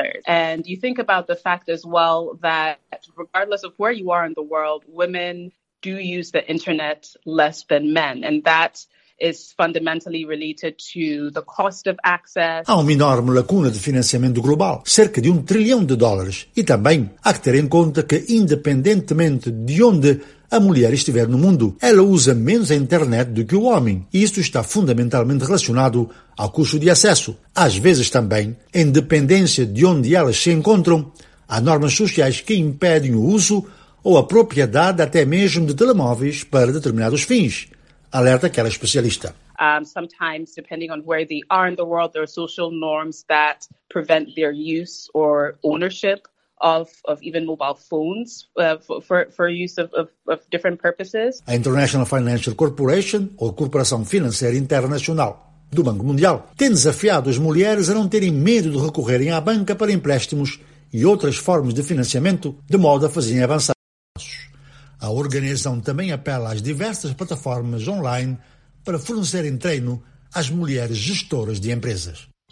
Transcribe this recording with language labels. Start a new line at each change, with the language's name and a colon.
English: And you think about the fact as well that regardless of where you are in the world, women do use the internet less than men. And that is fundamentally related to the cost of access.
Portuguese: Há uma enorme lacuna de financiamento global, cerca de $1 trillion. E também há que ter em conta que, independentemente de onde a mulher estiver no mundo, ela usa menos a internet do que o homem. E isso está fundamentalmente relacionado ao custo de acesso. Às vezes também, em dependência de onde elas se encontram, há normas sociais que impedem o uso ou a propriedade até mesmo de telemóveis para determinados fins, alerta aquela especialista.
English: Sometimes, depending on where they are in the world, there are social norms that prevent their use or ownership of even mobile phones for use of different purposes.
Portuguese: A International Financial Corporation, ou Corporação Financeira Internacional do Banco Mundial, tem desafiado as mulheres a não terem medo de recorrerem à banca para empréstimos e outras formas de financiamento, de modo a fazerem avançar os passos. A organização também apela às diversas plataformas online para fornecerem treino às mulheres gestoras de empresas.